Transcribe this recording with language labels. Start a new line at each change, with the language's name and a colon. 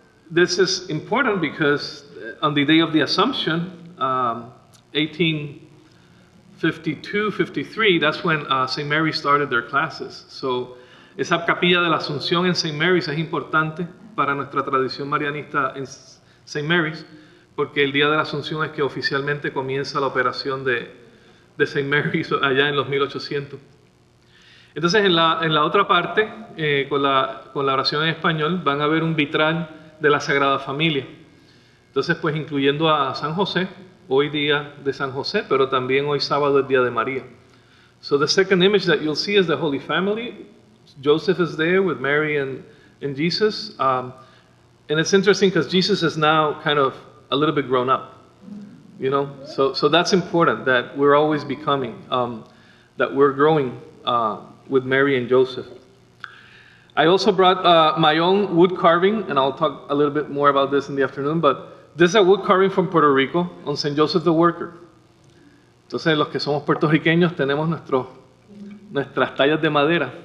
English: This is important because on the day of the Assumption, 1852-53, that's when St. Mary started their classes.
Spanish: So esa capilla de la Asunción en St. Mary's es importante para nuestra tradición marianista en St. Mary's, porque el día de la Asunción es que oficialmente comienza la operación de St. Mary's allá en los 1800. Entonces en la otra parte, con la oración en español, van a ver un vitral de la Sagrada Familia. Entonces pues incluyendo a San José, hoy día de San José, pero también hoy sábado es Día de María.
English: So the second image that you'll see is the Holy Family. Joseph is there with Mary and Jesus. And it's interesting because Jesus is now kind of a little bit grown up. You know, so that's important, that we're always becoming, that we're growing with Mary and Joseph. I also brought my own wood carving, and I'll talk a little bit more about this in the afternoon, but this is a wood carving from Puerto Rico on St. Joseph the Worker.
Spanish: Entonces, los que somos puertorriqueños tenemos nuestras tallas de madera.